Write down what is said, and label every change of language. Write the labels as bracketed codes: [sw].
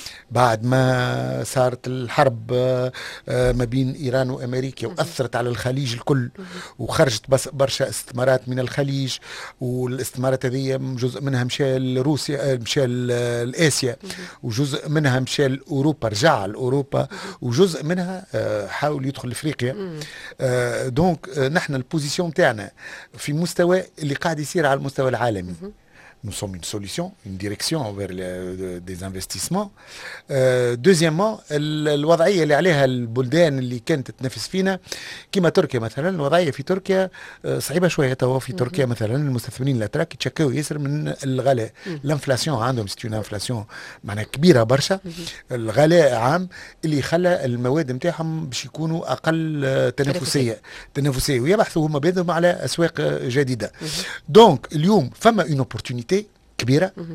[ar] بعد ما صارت الحرب ما بين إيران وأمريكا وأثرت على الخليج الكل، وخرجت بس برشا استثمارات من الخليج، والاستثمارات هذه جزء منها مشى لروسيا، مشى لآسيا، وجزء منها مشى لأوروبا، رجع لأوروبا، وجزء منها حاول يدخل إفريقيا. دونك نحن البوزيشن تاعنا في مستوى اللي قاعد يصير على المستوى العالمي. [fr] Nous sommes une solution, une direction vers des investissements. Deuxièmement, [ar] الوضعية اللي عليها البلدان اللي كانت تنافس فينا كيما تركيا مثلا، الوضعية في تركيا صعيبة شوية. توا في تركيا مثلا المستثمرين الأتراك يتشكوا ياسر من الغلاء، الانفلاسيون عندهم ستيون انفلاسيون معناها كبيرة برشا، الغلاء عام اللي خلى المواد نتاعهم باش يكونوا أقل تنافسية ويبحثوا هما بينهم على أسواق جديدة. دونك اليوم فما [fr] اون اوبورتونيتي [ar] كبيرة.